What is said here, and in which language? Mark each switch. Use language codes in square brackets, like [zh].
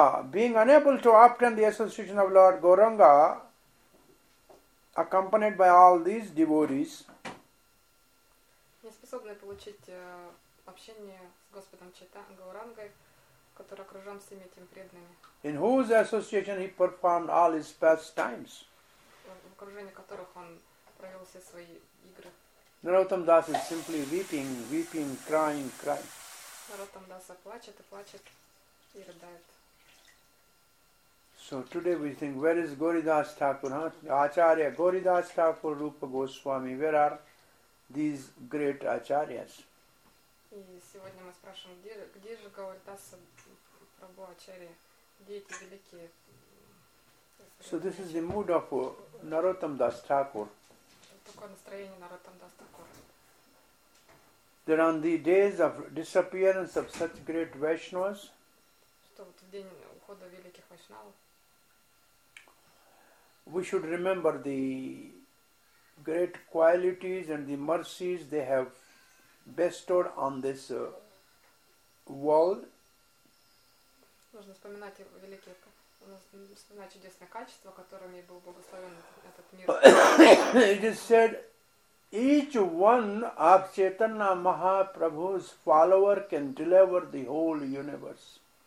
[en] Being unable to obtain the association of Lord Gauranga, accompanied by all these devotees, [ru] способны получить общение с Господом Гаурангой, который окружен всеми этими преданными. [en] In whose association he performed all his pastimes? [ru] В окружении которых он провел все свои игры. [en] Narottam Das is simply weeping, crying. [ru] Narottam Das плачет и плачет и рыдает. [en] So today we think, where is Gauridas Thakur? Huh? Acharya Gauridas Thakur, Rupa Goswami, where are these great acharyas? [ru] И сегодня мы спрашиваем, где же Гаурдас Прабху Ачарья, где эти великие? [en] So this is the mood of Narottam Das Thakur. [ru] Такое настроение Narottam Das Thakur. [en] That on the days of disappearance of such great Vaishnavas, [ru] что вот в день ухода великих Вайшнавов, [en] we should remember the great qualities and the mercies they have bestowed on this world. [ru] Нужно вспоминать великие, вспоминать чудесные качества, которыми был благословен этот мир. [en] It is said, each one of Chaitanya Mahaprabhu's follower can deliver the whole universe.